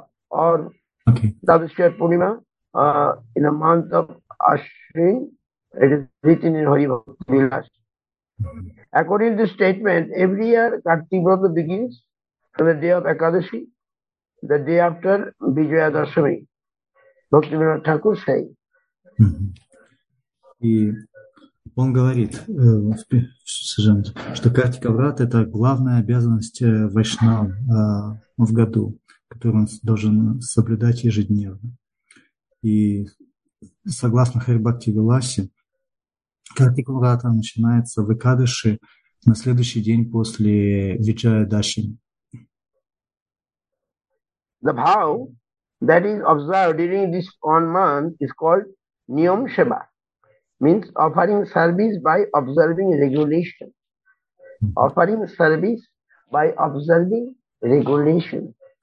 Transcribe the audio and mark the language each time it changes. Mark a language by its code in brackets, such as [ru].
[en] Or Dadashya Purnima, in a month of Ashwin, it is written in Hari Bhakti Vilas. According to the statement, every year Kartik Vrata begins on the day of Ekadashi, the day after Vijaya Dashami. Bhaktivinoda Thakur say. [ru] Он говорит, что Картика Врата – это главная обязанность вайшнав в году, которую он должен соблюдать ежедневно. И согласно Хари Бхакти Виласе, Картика Врата начинается в Экадыши на следующий день после Виджая Дашини. [en] The bhav that is observed during this one month is called Niyam Seva. Means offering service by observing regulation. Offering service by observing regulation.